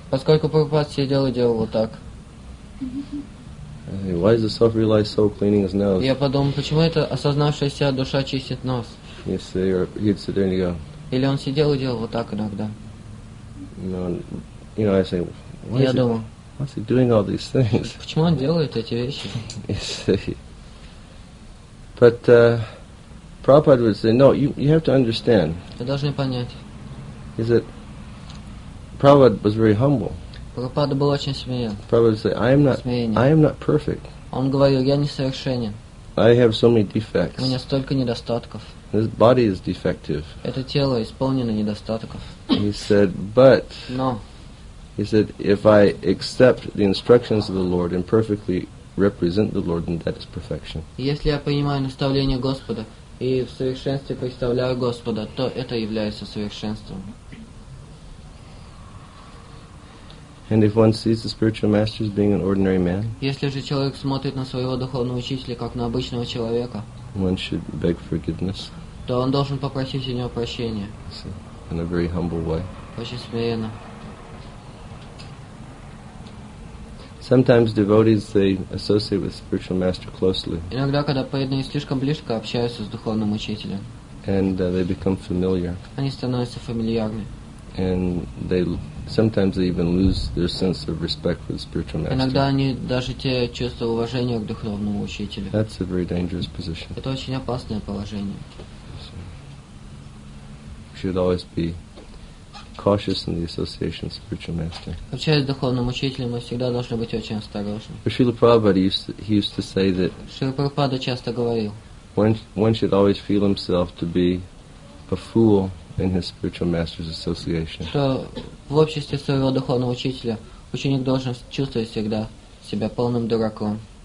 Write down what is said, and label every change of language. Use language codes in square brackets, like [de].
[ru] Поскольку Прабхупада сидел и делал вот так. [en] Hey, why is the self-realized soul cleaning his nose? [ru] Я подумал, почему это осознавшаяся душа чистит нос? [en] Yes, or he'd sit there and go. [ru] Или он сидел и делал вот так иногда. [en] You know, I say, why is he doing all these things? [ru] Почему он делает эти вещи? [en] But Prabhupada would say, no, you have to understand. [ru] Вы должны понять. [en] Is that Prabhupada was very humble. [ru] Прабхупада был очень смиренен. [en] Prabhupada would say, I am not perfect. [ru] Он говорил, я несовершенен. [en] I have so many defects. [ru] У меня столько недостатков. [en] This body is defective. [ru] Это тело исполнено недостатков. [en] He said, but. [ru] No. [en] He said, if I accept the instructions of the Lord and perfectly represent the Lord, then that is perfection. [ru] Если я принимаю наставления Господа и в совершенстве представляю Господа, то это является совершенством. [en] And if one sees the spiritual master as being an ordinary man, [ru] если же человек смотрит на своего духовного учителя как на обычного человека, [en] one should beg forgiveness. [ru] То он должен попросить у него прощения. [en] In a very humble way. [ru] Очень смиренно. [en] Sometimes devotees they associate with spiritual master closely. [ru] Иногда, когда преданные слишком близко общаются с духовным учителем, [en] and they become familiar. [ru] Они становятся фамильярны. [en] And they even lose their sense of respect for the spiritual master. [ru] Иногда они даже теряют чувство уважения к духовному учителю. [en] That's a very dangerous position. [ru] Это очень опасное положение. [en] Should always be cautious in the association with spiritual master. [ru] Общаясь с духовным учителем, мы всегда должны быть очень осторожны. [en] Шрила Прабхупада used to say that. [ru] Шрила Прабхупада часто говорил. [en] One should always feel himself to be a fool in his spiritual master's association. [ru] Что В обществе своего духовного учителя ученик должен чувствовать всегда себя полным дураком.